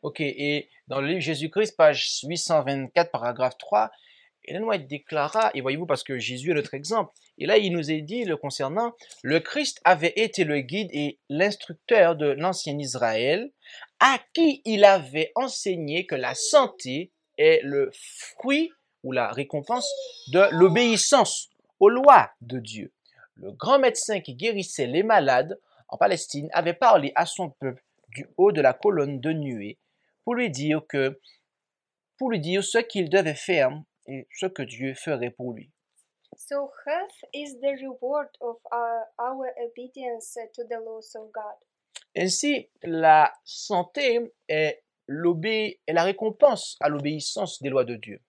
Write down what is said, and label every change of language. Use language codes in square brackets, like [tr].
[fr] Okay, et dans le livre Jésus-Christ, page 824, paragraphe 3, Ellen White déclara, et voyez-vous, parce que Jésus est notre exemple, et là il nous est dit le concernant, le Christ avait été le guide et l'instructeur de l'ancien Israël, à qui il avait enseigné que la santé est le fruit ou la récompense de l'obéissance aux lois de Dieu. Le grand médecin qui guérissait les malades en Palestine avait parlé à son peuple du haut de la colonne de nuée pour lui dire ce qu'il devait faire et ce que Dieu ferait pour lui. [en] So health is the reward of our obedience to the laws of God. [fr] Ainsi, la santé est la récompense à l'obéissance des lois de Dieu.